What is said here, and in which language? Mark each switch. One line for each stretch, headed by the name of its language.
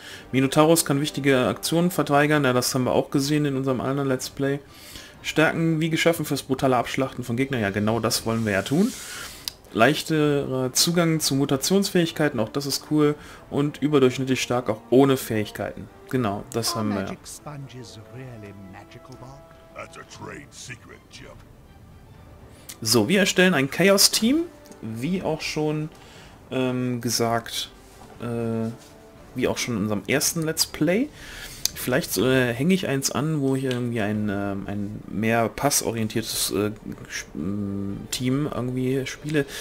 German: Minotaurus kann wichtige Aktionen verweigern. Ja, das haben wir auch gesehen in unserem anderen Let's Play. Stärken wie geschaffen fürs brutale Abschlachten von Gegnern. Ja, genau das wollen wir ja tun. Leichterer Zugang zu Mutationsfähigkeiten, auch das ist cool. Und überdurchschnittlich stark, auch ohne Fähigkeiten. Genau, das haben wir.
English: Magic Sponges really magical, Bob? That's a trade secret, Jim.
German: So, wir erstellen ein Chaos-Team. Wie auch schon gesagt, wie auch schon in unserem ersten Let's Play. Vielleicht hänge ich eins an, wo ich irgendwie ein mehr passorientiertes Team irgendwie spiele.